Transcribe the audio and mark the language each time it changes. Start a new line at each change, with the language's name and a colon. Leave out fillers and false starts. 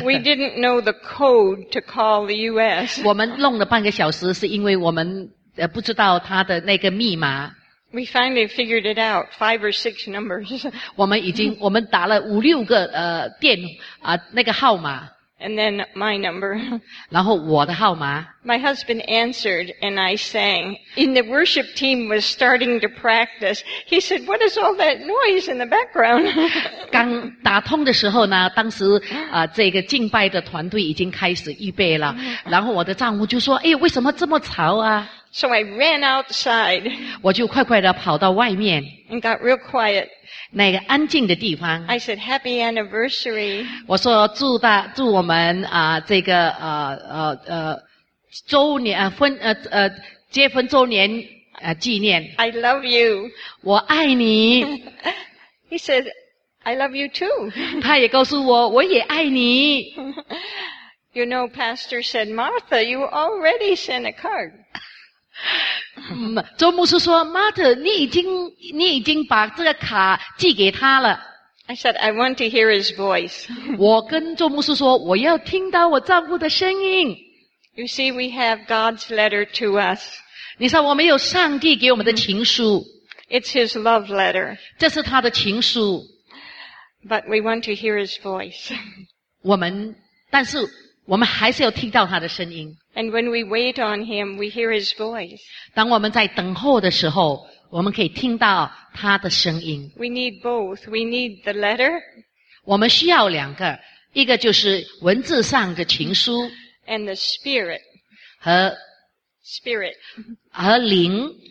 English: We didn't know the code to call the US.
Chinese: 我们弄了半个小时是因为我们不知道他的那个密码。
English: We finally figured it out, 5 or 6 numbers.
Chinese: 我们打了五六个那个号码。
English: And then my number.
Chinese: 然后我的号码。
English: My husband answered and I sang. And the worship team was starting to practice. He said, what is all that noise in the background?
Chinese: 刚打通的时候呢当时这个敬拜的团队已经开始预备了。然后我的丈夫就说哎为什么这么吵啊
English: So I ran outside.
Chinese: 我就快快地跑到外面。
English: And got real quiet.
Chinese: 那个安静的地方。
English: I said, happy anniversary.
Chinese: 我说祝我们这个周年结婚周年纪念。
English: I love you.
Chinese: 我爱你。
English: He said, I love you too.
Chinese: 他也告诉我我也爱你。
English: You know, Pastor said, Martha, you already sent a card.
Chinese: 周牧师说 Martha 你已经把这个卡寄给他了
English: I said I want to hear his voice
Chinese: 我跟周牧师说我要听到我丈夫的声音
English: You see we have God's letter to us
Chinese: 你说我们有上帝给我们的情书
English: It's his love letter
Chinese: 这是他的情书
English: But we want to hear his voice
Chinese: 但是我们还是要听到他的声音
English: And when we wait on him, we hear his voice.
Chinese: 当我们在等候的时候，我们可以听到他的声音。
English: We need both. We need the letter.
Chinese: 我们需要两个，一个就是文字上的情书。
English: And the spirit.
Chinese: 和
English: spirit.
Chinese: 和灵。